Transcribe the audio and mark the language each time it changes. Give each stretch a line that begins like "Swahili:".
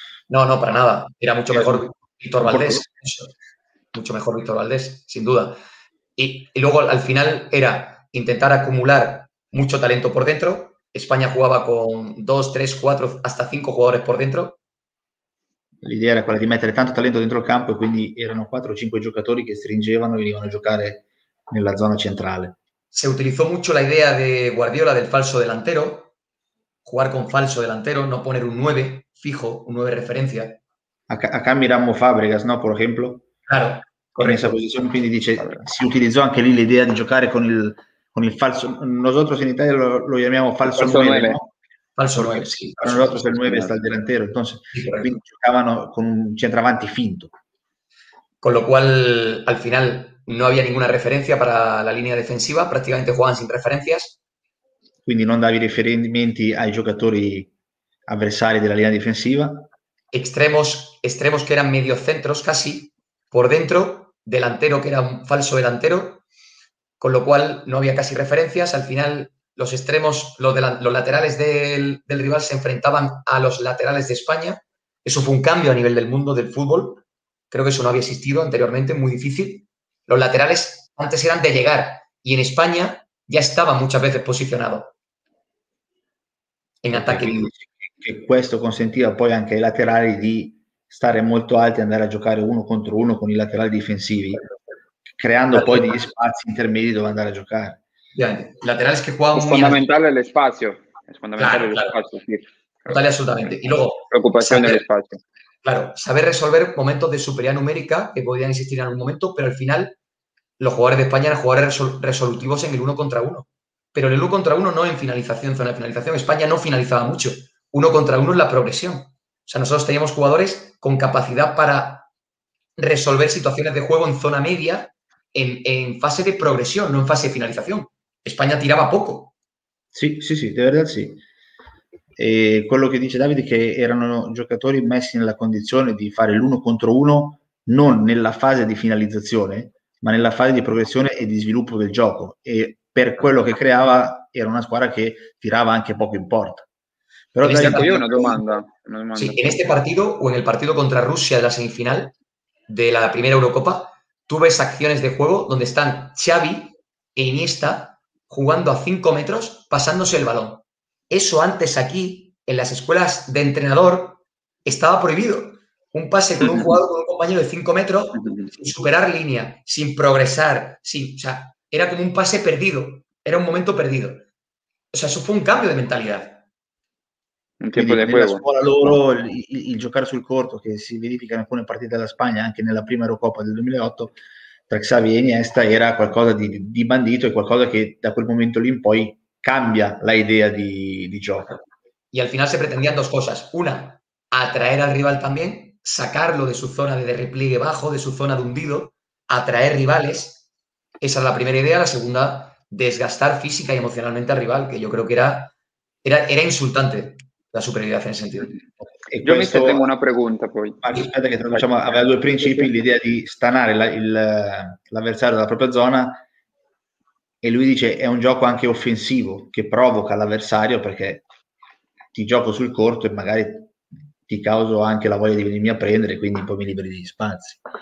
Spanish: No, per nada, era molto mejor Víctor Valdés, molto mejor Víctor Valdés, sin duda. E luego al final era intentar acumular mucho talento por dentro. España jugaba con 2, 3, 4, hasta 5 jugadores por dentro. La idea era
Italian: quella di mettere tanto talento dentro il campo, e quindi erano 4 o 5 giocatori che stringevano e venivano a giocare nella zona centrale.
Spanish: Se utilizó mucho la idea de Guardiola del falso delantero, jugar con falso delantero, no poner un 9 fijo, un 9 referencia. Acá miramos Fabregas, ¿no? Por ejemplo. Claro. Con esa posición,
Italian: quindi dice, si utilizó anche lì l'idea di giocare con il falso, nosotros in Italia lo chiamiamo falso 9, ¿no? Falso 9, sì. Falso 9, falso 9 sta al delantero, entonces, quindi giocavano con un centravanti finto.
Spanish: Con lo cual, al final, no había ninguna referencia para la línea defensiva, prácticamente jugaban sin referencias.
Italian: Quindi non davi riferimenti ai giocatori avversari della linea difensiva.
Spanish: Extremos que eran medio centros casi, por dentro, delantero que era un falso delantero, con lo cual no había casi referencias. Al final, los extremos, los laterales del rival se enfrentaban a los laterales de España. Eso fue un cambio a nivel del mundo del fútbol. Creo que eso no había existido anteriormente, muy difícil. Los laterales antes eran de llegar y en España ya estaba muchas veces posicionado en ataque.
Italian: E questo consentiva poi anche ai laterali di stare molto alti e andare a giocare uno contro uno con i laterali difensivi, creando poi degli spazi intermedi dove andare a giocare. Laterali che qua fondamentale lo spazio, è fondamentale lo spazio, sì. Totale, assolutamente.
Spanish: E luego
Italian: preoccupazione dello spazio.
Spanish: Claro, saber resolver momentos de superioridad numérica que podían existir en algún momento, pero al final los jugadores de España eran jugadores resolutivos en el uno contra uno. Pero en el uno contra uno no en finalización, zona de finalización. España no finalizaba mucho. Uno contra uno en la progresión. O sea, nosotros teníamos jugadores con capacidad para resolver situaciones de juego en zona media en fase de progresión, no en fase de finalización. España tiraba poco. Sí, sí, sí, de verdad sí.
Italian: E quello che dice Davide è che erano giocatori messi nella condizione di fare l'uno contro uno non nella fase di finalizzazione, ma nella fase di progressione e di sviluppo del gioco. E per quello che creava, era una squadra che tirava anche poco in porta. Però io una domanda. Sì, in questo partito o nel partito contro Russia della semifinale della prima Eurocopa,
Spanish: tu ves acciones de juego donde están Xavi e Iniesta jugando a 5 metros pasándose el balón. Eso antes aquí en las escuelas de entrenador estaba prohibido. Un pase con un jugador con un compañero de 5 metros sin superar línea, sin progresar, sin, o sea, era como un pase perdido, era un momento perdido. O sea, eso fue un cambio de mentalidad.
Italian: Nella scuola loro il giocare sul corto che si verifica in alcune partite della Spagna anche nella prima Eurocopa del 2008 tra Xavi e Iniesta era qualcosa di bandito e qualcosa che da quel momento lì in poi cambia la idea di gioco.
Spanish: E al final si pretendían dos cosas: una, atraer al rival también, sacarlo de su zona de repliegue bajo, de su zona de hundido, atraer rivales. Esa era la primera idea. La segunda, desgastar física y emocionalmente al rival, que yo creo que era insultante. La superioridad en ese sentido. Yo mister, tengo una pregunta poi.
Italian: Aspetta che traduciamo, aveva due principi, l'idea di stanare l'avversario dalla propria zona, e lui dice è un gioco anche offensivo che provoca l'avversario perché ti gioco sul corto e magari ti causo anche la voglia di venirmi a prendere, quindi poi mi liberi di spazi.